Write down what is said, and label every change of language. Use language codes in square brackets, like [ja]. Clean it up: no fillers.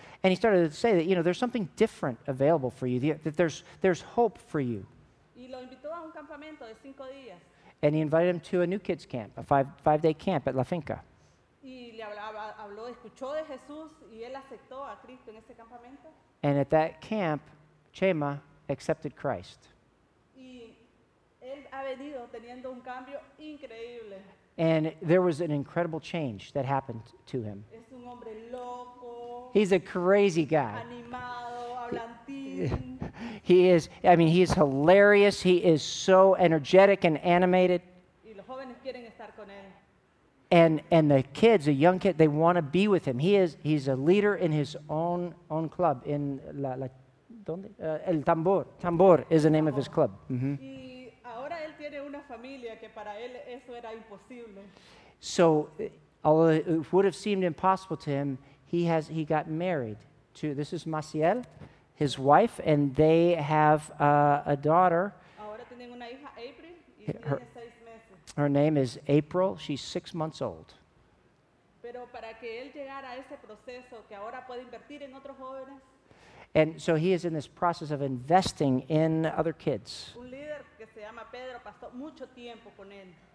[en] And he started to say that, you know, there's something different available for you, that there's hope for you. [es] Y lo invitó a un campamento de 5 días. [en] And he invited him to a new kids camp, a five-day camp at La Finca. [es] Y le hablaba, habló, escuchó de Jesús y él aceptó a Cristo en ese campamento. [en] And at that camp, Chema accepted Christ. [es] Y él ha venido teniendo un cambio increíble. [en] And there was an incredible change that happened to him. [es] Es un hombre loco. [en] He's a crazy guy. [es] Animado, hablantín. [en] He is, I mean, he is hilarious. He is so energetic and animated. [es] Y los jóvenes quieren estar con él. [en] And the kids, the young kid, they want to be with him. He's a leader in his own club in [es] la donde [en] El Tambor. Tambor is the name of his club. Mm-hmm. [es] Y ahora él tiene una familia que para él eso era imposible. [en] So although it would have seemed impossible to him, he got married to, this is Maciel, his wife, and they have a daughter. [es] Ahora tienen una hija, April, y tiene [en] Her name is April. She's 6 months old. [es] Pero para que él llegara a ese proceso que ahora puede invertir en otros jóvenes. [en] And so he is in this process of investing in other kids. [es] Un líder que se llama Pedro pasó mucho tiempo con él.